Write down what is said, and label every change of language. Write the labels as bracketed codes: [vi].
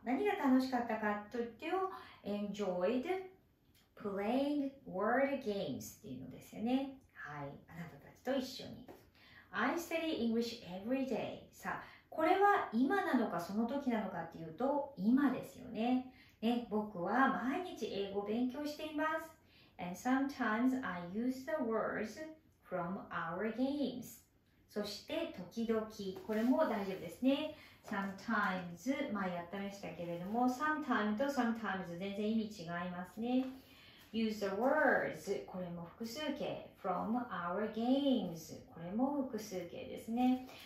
[ja] 何が楽しかったかと言っても [en] Enjoyed playing word games [ja] っていうのですよね。はい、あなたたちと一緒に。 [en] I study English every day. [ja] さあ、これは今なのかその時なのかっていうと、今ですよね。ね、僕は毎日英語を勉強しています。 [en] And sometimes I use the words from our games. [ja] そして時々、これも大丈夫ですね。 Sometimes、前やってましたけれども、Sometimes と Sometimes 全然意味違いますね。 [en] Use the words、 [ja] これも複数形。 [en] From our games、 [ja] これも複数形ですね。